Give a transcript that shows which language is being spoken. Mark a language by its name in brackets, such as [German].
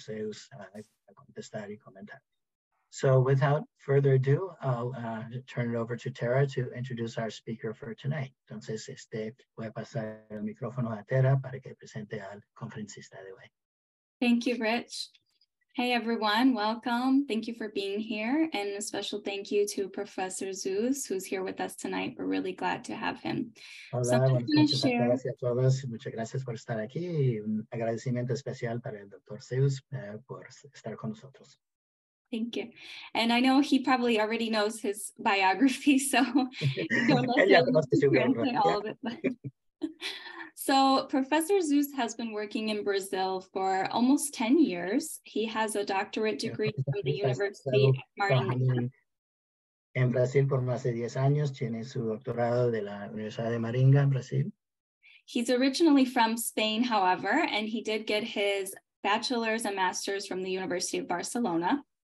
[English] Zeus [Spanish] a contestar y comentar. [English] So without further ado, I'll turn it over to Tara to introduce our speaker for tonight. [Spanish] Entonces, voy a pasar el micrófono a Tara para que presente al conferencista de hoy. [English] Thank you, Rich. Hey, everyone. Welcome. Thank you for being here. And a special thank you to Professor Zeus, who's here with us tonight. We're really glad to have him. [Spanish] Hola, [English] so I'm going to share. [Spanish] Muchas gracias a todos. Muchas gracias por estar aquí. Un agradecimiento especial para el Dr. Zeus por estar con nosotros. [English] Thank you. And I know he probably already knows his biography, so don't necessarily all of it. But... So Professor Zeus has been working in Brazil for almost 10 years. He has a doctorate degree from the University of Maringá. [Spanish] En Brasil por más de 10 años, tiene su doctorado de la Universidad de Maringá en Brasil. [English] He's originally from Spain, however, and he did get his bachelor's and master's from the University of Barcelona.